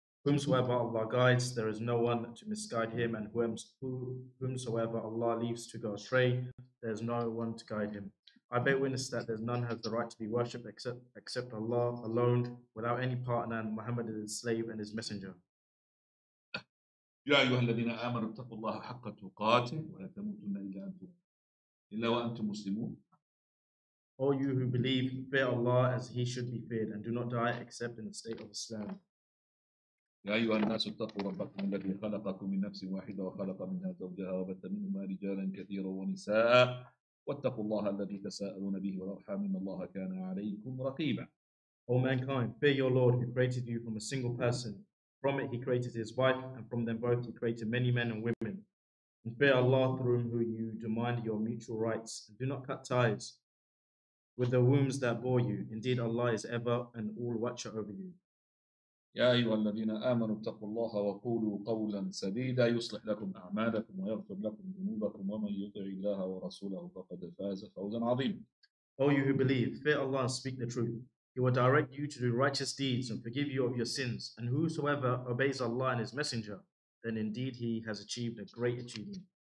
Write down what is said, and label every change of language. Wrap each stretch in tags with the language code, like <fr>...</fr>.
<en>Whomsoever Allah guides, there is no one to misguide him, and whomsoever Allah leaves to go astray, there is no one to guide him. I bear witness that there's none has the right to be worshipped except Allah alone, without any partner, and Muhammad is his slave and his messenger.</en> <ar>يا أيها الذين آمنوا اتقوا الله حق تقاته ولا تموتن إلا وأنتم مسلمون.</ar> <en>All you who believe, fear Allah as He should be feared, and do not die except in the state of Islam.</en> <ar>يا أيها الناس اتقوا ربكم الذي خلقكم من نفس واحدة وخلق منها زوجها وبث منهما رجالا كثيرا ونساء. واتقوا الله الذي تساءلون به والأرحام إن الله كان عليكم رقيبا.</ar> <en>O mankind, fear your Lord who created you from a single person. From it he created his wife, and from them both he created many men and women. And fear Allah through whom you demand your mutual rights. And do not cut ties with the wombs that bore you. Indeed Allah is ever an all watcher over you.</en> <ar>يا أيها الذين آمنوا اتقوا الله وقولوا قولا سديدا يصلح لكم أعمالكم ويغفر لكم ذنوبكم ومن يطع الله ورسوله فقد فاز فوزا عظيما.</ar> <en>O you who believe, fear Allah and speak the truth. He will direct you to do righteous deeds and forgive you of your sins. And whosoever obeys Allah and His Messenger, then indeed he has achieved a great achievement.</en>